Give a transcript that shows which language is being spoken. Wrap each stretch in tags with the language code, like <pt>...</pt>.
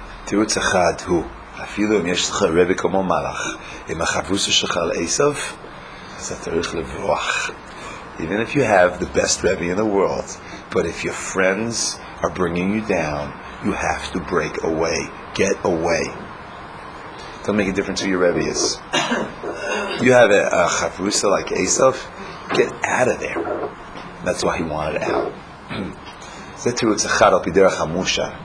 <he>תירוץ אחד הוא, אפילו אם יש לך רבי כמו מלאך, אם החבוסו שלך על איסוף, אז אתה צריך לברוח.</he> <en>Even if you have the best Rebbe in the world, but if your friends are bringing you down, you have to break away. Get away. Don't make a difference who your Rebbe is. You have a chavrusa like איסוף, get out of there. That's why he wanted out.</en> <he>זה תירוץ אחד על פי דרך המושה.</he>